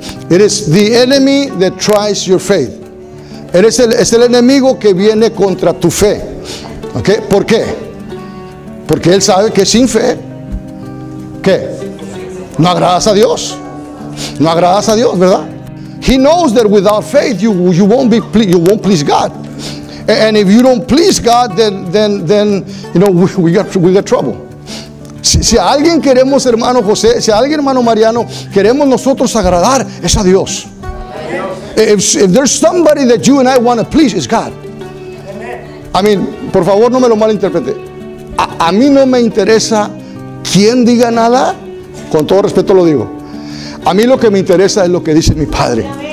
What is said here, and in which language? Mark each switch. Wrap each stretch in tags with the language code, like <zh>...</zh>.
<en>It is the enemy that tries your faith.</en> <es>Es el enemigo que viene contra tu fe. ¿Ok? ¿Por qué? Porque él sabe que sin fe, ¿qué? No agradas a Dios. No agradas a Dios, ¿verdad?</es> <en>He knows that without faith you won't please God. And if you don't please God, then you know we got trouble.</en> <es>Si a alguien queremos, hermano José, si a alguien, hermano Mariano, queremos nosotros agradar, es a Dios.</es> <en>If there's somebody that you and I want to please, it's God. I mean,</en> <es>por favor, no me lo malinterprete. A mí no me interesa quién diga nada, con todo respeto lo digo. A mí lo que me interesa es lo que dice mi Padre.</es>